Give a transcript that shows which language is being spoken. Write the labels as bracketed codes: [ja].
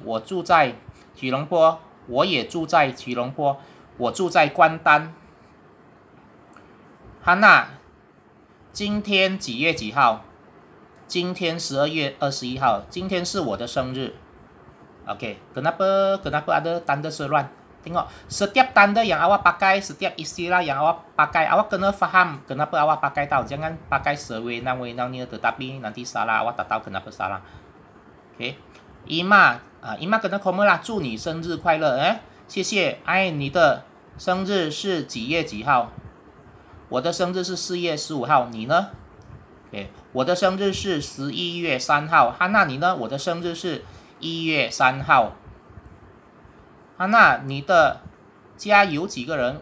[zh] 我住在吉隆坡，我也住在吉隆坡，我住在关丹。哈娜，今天几月几号？今天12月21号，今天是我的生日。 [ms] OK， kenapa ada tanda seruan? Tengok, setiap tanda yang awak pakai, setiap istilah yang awak pakai, awak kena faham kenapa awak pakai tau. Jangan pakai sewenang-wenangnya tetapi nanti salah, awak tak tahu kenapa salah. OK, Ima, Ima kena koma lah, [zh] 祝你生日快乐. 谢谢, 爱你的生日是几月几号? 我的生日是4月15号, 你呢?OK, 我的生日是11月3号, 哈娜你呢? 我的生日是1月3号，哈娜，你的家有几个人？